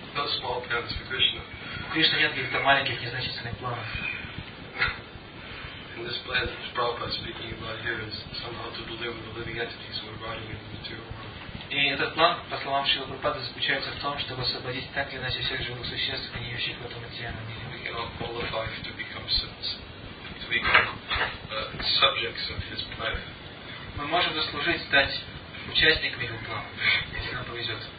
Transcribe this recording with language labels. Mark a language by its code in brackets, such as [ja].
[ru] У Кришны нет каких-то маленьких, незначительных планов. [en] In this plan that Prabhupada is speaking about here is somehow to deliver the living entities who are riding in the material world. [ru] И этот план, по словам Шрила Прабхупады, заключается в том, чтобы освободить так или иначе всех живых существ, гниющих в этом материальном мире. [en] Subjects of his plan. [ru] Мы можем заслужить стать участниками его плана, если нам повезет.